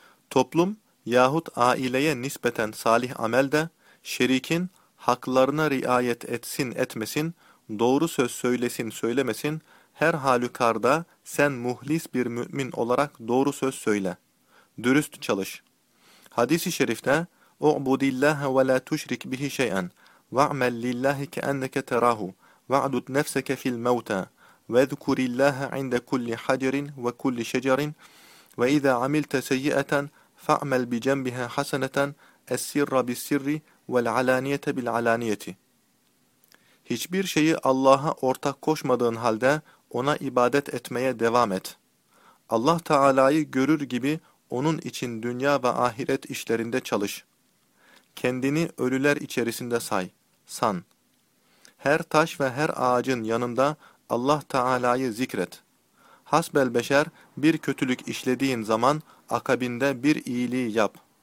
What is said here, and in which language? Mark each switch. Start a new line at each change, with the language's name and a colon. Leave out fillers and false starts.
Turkish: Toplum yahut aileye nispeten salih amel de, şerikin haklarına riayet etsin etmesin, doğru söz söylesin söylemesin, her halükarda sen muhlis bir mümin olarak doğru söz söyle. Dürüst çalış. Hadis-i şerifte,
Arabic: اُعْبُدِ اللّٰهَ وَلَا تُشْرِكْ بِهِ شَيْئًا وَعْمَلْ لِلّٰهِ كَأَنَّكَ تَرَاهُ وَعْدُدْ نَفْسَكَ فِي الْمَوْتَى وَذْكُرِ اللّٰهَ عِنْدَ كُلِّ حَجَرٍ وَكُلِّ شَجَرٍ وَإِذَا عَمِلْتَ سَيِّئَةً فَعْمَلْ بِجَنْبِهَا حَسَنَةً اَسِّرَّ بِالسِّرِّ وَالْعَلَانِيَةَ بِالْعَلَانِيَةِ
Turkish: Hiçbir şeyi Allah'a ortak koşmadığın halde ona ibadet etmeye devam et. Allah Teala'yı görür gibi onun için dünya ve ahiret işlerinde çalış. Kendini ölüler içerisinde say, san. Her taş ve her ağacın yanında Allah Teala'yı zikret. Hasbel beşer bir kötülük işlediğin zaman akabinde bir iyiliği yap.